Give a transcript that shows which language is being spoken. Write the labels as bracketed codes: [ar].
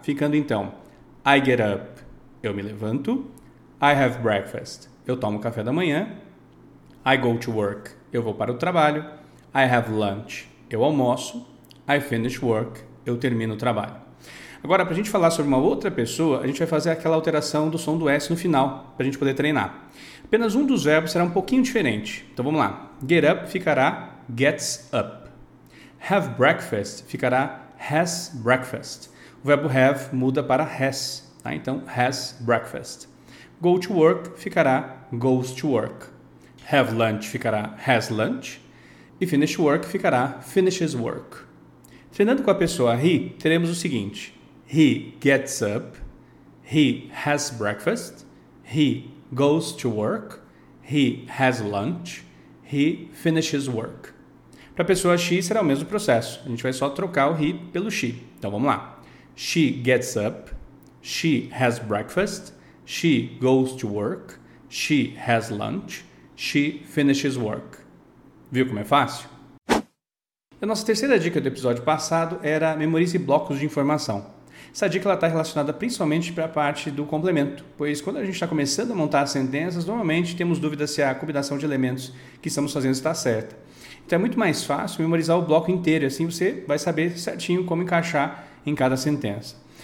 [pt] Ficando então, [en] I get up, [pt] eu me levanto; [en] I have breakfast, [pt] eu tomo café da manhã; [en] I go to work, [pt] eu vou para o trabalho; [en] I have lunch, [pt] eu almoço; [en] I finish work, [pt] eu termino o trabalho. Agora, para a gente falar sobre uma outra pessoa, a gente vai fazer aquela alteração do som do S no final, para a gente poder treinar. Apenas um dos verbos será um pouquinho diferente. Então vamos lá, get up ficará gets up. [en] Have breakfast [pt] ficará [en] has breakfast. [pt] O verbo have muda para has, tá? Então [en] has breakfast. Go to work [pt] ficará [en] goes to work. Have lunch ficará has lunch. [pt] E [en] finish work [pt] ficará [en] finishes work. [pt] Treinando com a pessoa he, teremos o seguinte. [en] He gets up. He has breakfast. He goes to work. He has lunch. He finishes work. [pt] Para a pessoa she será o mesmo processo, a gente vai só trocar o he pelo she. Então vamos lá. [en] She gets up, she has breakfast, she goes to work, she has lunch, she finishes work. [pt] Viu como é fácil? A nossa terceira dica do episódio passado era memorize blocos de informação. Essa dica está relacionada principalmente para a parte do complemento, pois quando a gente está começando a montar as sentenças, normalmente temos dúvidas se a combinação de elementos que estamos fazendo está certa. Então é muito mais fácil memorizar o bloco inteiro, assim você vai saber certinho como encaixar em cada sentença.